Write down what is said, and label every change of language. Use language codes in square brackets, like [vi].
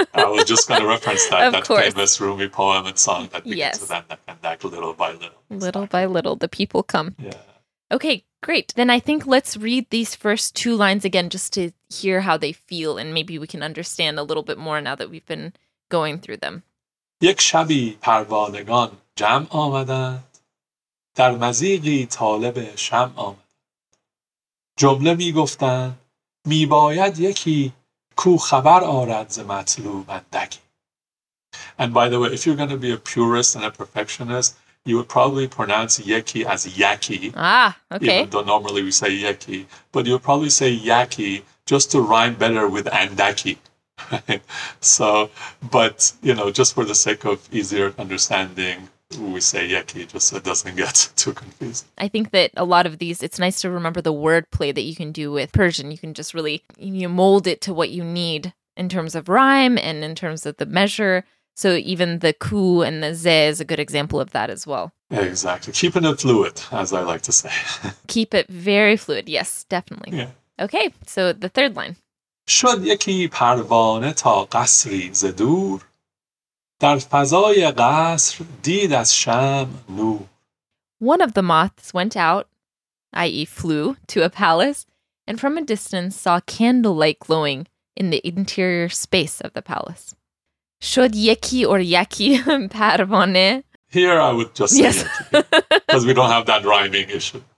[en] I was just going to reference that famous Rumi poem and song that begins with Andek Andek, little by little. Little by little, the people come. Yeah. Okay, great. Then I think let's read these first two lines again just to hear how they feel. And maybe we can understand a little bit more now that we've been going through them. [fa] یک شبی پروانگان جمع آمدند، در مزیقی طالب شمع آمدند. جمله می گفتند، می باید یکی کو خبر آرد ز مطلوب اندکی. [en] And by the way, if you're going to be a purist and a perfectionist, you would probably pronounce یکی as یکی. Ah, okay. Even though normally we say یکی. But you would probably say یکی just to rhyme better with اندکی. So, but, you know, just for the sake of easier understanding, we say yaki just so it doesn't get too confusing. I think that a lot of these, it's nice to remember the wordplay that you can do with Persian. You can just really, you mold it to what you need in terms of rhyme and in terms of the measure. So even the ku and the ze is a good example of that as well. Exactly. Keeping it fluid, as I like to say. Keep it very fluid. Yes, definitely. Yeah. Okay, so the third line. [fa] شد یکی پروانه تا قصری ز دور، در فضای قصر دید از شمع نور. [en] One of the moths went out, i.e. flew, to a palace, and from a distance saw candlelight glowing in the interior space of the palace. [fa] شد یکی or یکی پروانه. [en] Here I would just say یکی, because we don't have that rhyming issue.